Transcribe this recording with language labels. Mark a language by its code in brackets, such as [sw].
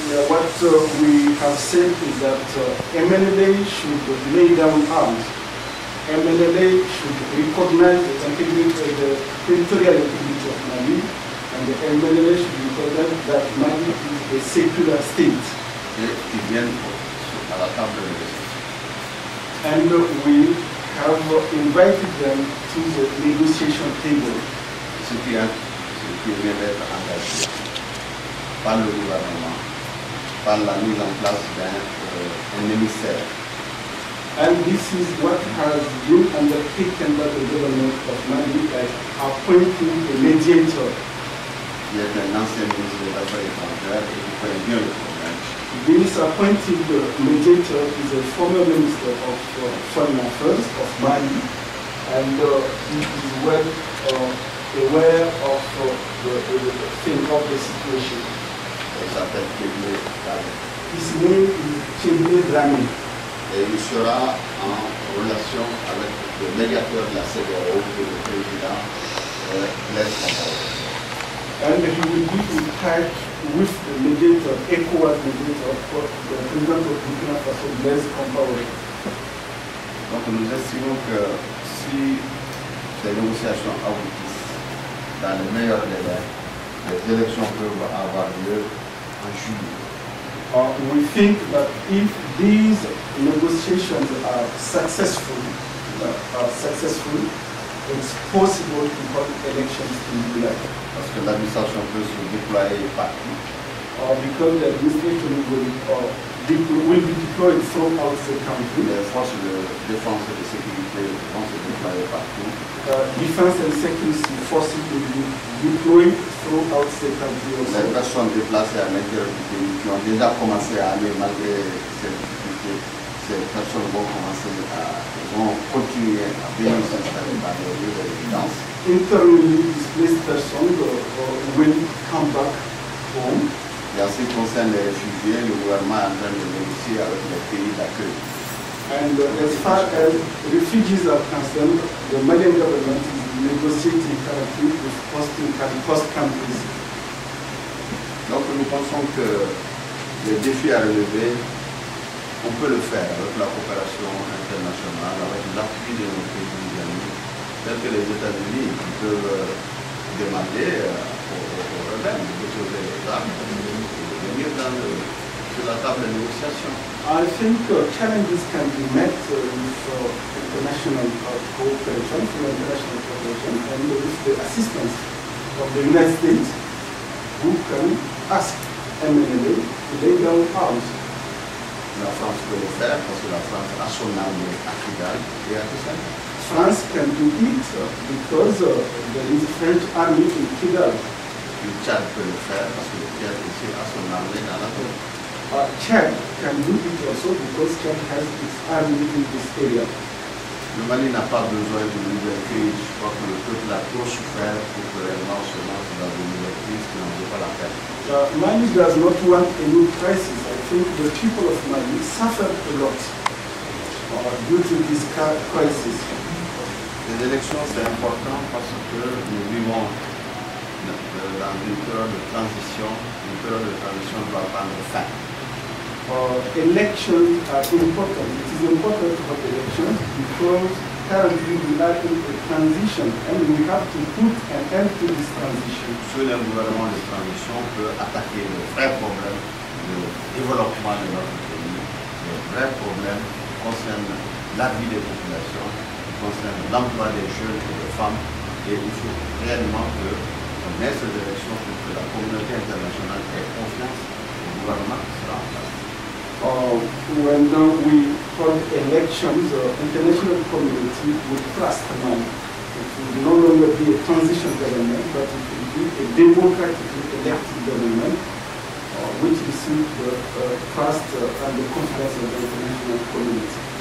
[en] What we have said is that MNLA should lay down arms. MNLA should recognize the integrity of the territorial integrity of Mali. And the MNLA should recognize that Mali is a secular state. [fr] Et ils viennent à la table de négociation. [en] And we have invited them to the negotiation table. [fr] Ce qui vient d'être engagé par le gouvernement, par la mise en place d'un émissaire. [en] And this is what has been undertaken by the government of Mali by appointing a mediator. [fr] Il est un ancien ministre de l'Affaires étrangères et il connaît bien le problème. [en] This appointed mediator is a former minister of foreign affairs of Mali, and he is well aware of the thing of the situation. His name is Chimé Drami. [fr] Et il sera en relation avec le médiateur de la CDAO et le président Blaise [en] And he will be in touch with the mediator, ECOWAS mediator, for the president of Burkina Faso, Blaise Compaoré. [fr] Donc nous estimons que si ces négociations aboutissent dans le meilleur délai, les élections peuvent avoir lieu en juillet. [en] We think that if these negotiations are successful, it's possible to hold elections in July. [fr] Parce que l'administration peut se déployer partout. [en] Because the administration will be deployed throughout the country. [fr] Les forces de défense et de sécurité vont se déployer partout. [en] Defense and security forces will be deployed throughout the country also. [fr] Les personnes déplacées à l'intérieur du pays qui ont déjà commencé à aller malgré ces difficultés, ces personnes vont continuer à venir s'installer dans les lieux de résidence. [en] Internally displaced persons will come back home. [fr] Et en ce qui concerne les réfugiés, le gouvernement est en train de négocier avec les pays d'accueil. [en] And as far as refugees are concerned, the Malian government is negotiating currently with host countries. [fr] Donc nous pensons que le défi à relever, on peut le faire avec la coopération internationale, avec l'appui de nos pays d'amis, tels que les États-Unis qui peuvent demander aux rebelles de déposer les armes et de venir sur la table de négociation. [en] I think challenges can be met with international cooperation, and with the assistance of the United States, who can ask MNLA to lay down arms. [fr] La France peut le faire parce que la France a son arme à Kigali et à Kigali. [en] France can do it because there is a French army in Kigali. [fr] Le Tchad peut le faire parce que le Tchad aussi a son armée dans la zone. [en] Tchad can do it also because Tchad has its army in this area. [fr] Le Mali n'a pas besoin d'une nouvelle crise. Je crois que le peuple a trop souffert pour que réellement se lance dans une nouvelle crise qui n'en veut pas la peine. [en] Mali does not want a new crisis. I think the people of Mali suffer a lot due to this crisis. [fr] Les élections, c'est important parce que nous vivons dans une période de transition. Une période de transition doit prendre fin. [en] Elections are important. It is important to have elections because currently we are in a transition and we have to put an end to this transition. [fr] Seul un gouvernement de transition peut attaquer le vrai problème de développement de notre pays. Le vrai problème concerne la vie des populations concerne l'emploi des jeunes et des femmes, et il faut réellement que dans cette direction, que la communauté internationale ait confiance au gouvernement qui sera en place. [en] When we hold elections, the international community would trust them. It would no longer be a transition government, but it would be a democratically elected government, which received the trust and the confidence of the international community.